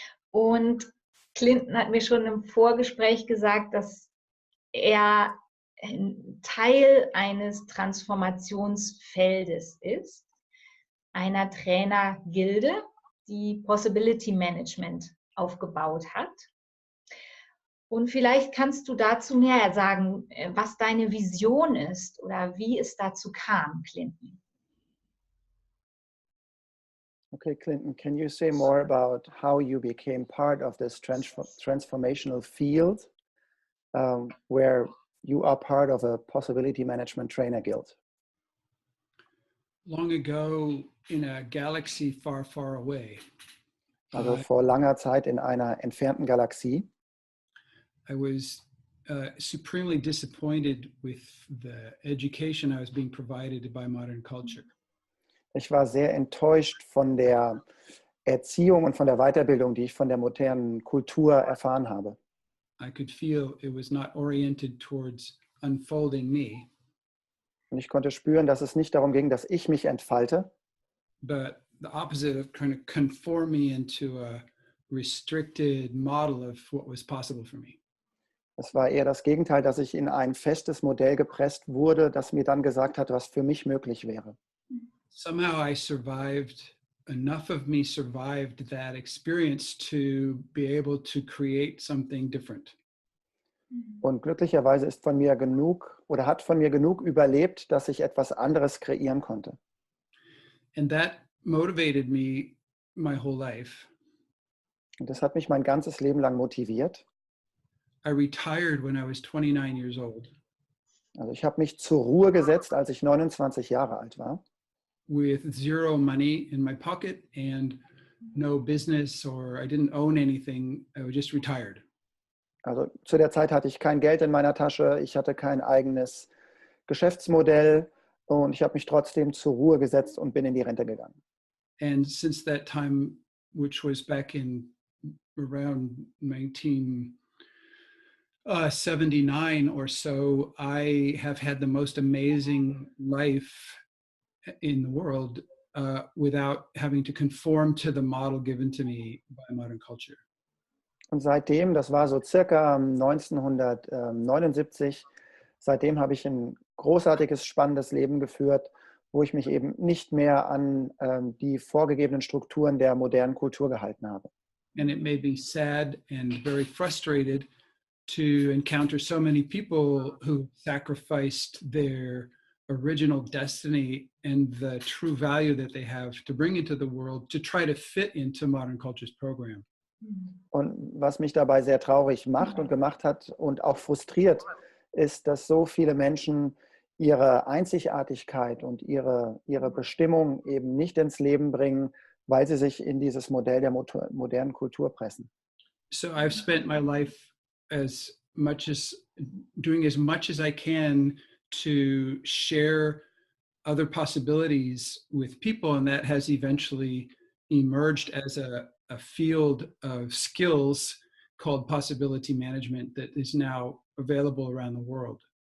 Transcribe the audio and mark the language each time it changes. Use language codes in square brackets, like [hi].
[de] Und Clinton hat mir schon im Vorgespräch gesagt, dass er ein Teil eines Transformationsfeldes ist, einer Trainergilde, die Possibility Management aufgebaut hat. Und vielleicht kannst du dazu mehr sagen, was deine Vision ist oder wie es dazu kam, Clinton. [en] Okay, Clinton, can you say more about how you became part of this transformational field, where you are part of a possibility management trainer guild? Long ago in a galaxy far, far away. [de] Also vor langer Zeit in einer entfernten Galaxie. [en] I was supremely disappointed with the education I was being provided by modern culture. [de] Ich war sehr enttäuscht von der Erziehung und von der Weiterbildung, die ich von der modernen Kultur erfahren habe. [en] I could feel it was not oriented towards unfolding me. [de] Und ich konnte spüren, dass es nicht darum ging, dass ich mich entfalte. [en] But the opposite of kind of conforming into a restricted model of what was possible for me. [de] Es war eher das Gegenteil, dass ich in ein festes Modell gepresst wurde, das mir dann gesagt hat, was für mich möglich wäre. [en] Somehow I survived. Enough of me survived that experience to be able to create something different. [de] Und glücklicherweise ist von mir genug oder hat von mir genug überlebt, dass ich etwas anderes kreieren konnte. [en] And that motivated me my whole life. [de] Und das hat mich mein ganzes Leben lang motiviert. [en] I retired when I was 29 years old. [de] Also ich habe mich zur Ruhe gesetzt, als ich 29 Jahre alt war. [en] With zero money in my pocket and no business, or I didn't own anything, I was just retired. [de] Also zu der Zeit hatte ich kein Geld in meiner Tasche, ich hatte kein eigenes Geschäftsmodell und ich habe mich trotzdem zur Ruhe gesetzt und bin in die Rente gegangen. [en] And since that time, which was back in around 1979 or so, I have had the most amazing life in the world without having to conform to the model given to me by modern culture. [de] Und seitdem, das war so circa 1979, seitdem habe ich ein großartiges, spannendes Leben geführt, wo ich mich eben nicht mehr an die vorgegebenen Strukturen der modernen Kultur gehalten habe. [en] And it made me sad and very frustrated to encounter so many people who sacrificed their original destiny and the true value that they have to bring into the world to try to fit into modern culture's program. [de] Und was mich dabei sehr traurig macht und gemacht hat und auch frustriert, ist, dass so viele Menschen ihre Einzigartigkeit und ihre Bestimmung eben nicht ins Leben bringen, weil sie sich in dieses Modell der modernen Kultur pressen. [en] So I've spent my life as much as doing as much as I can to share other possibilities with people, and that has eventually emerged as a field of skills called possibility management that is now available around the world.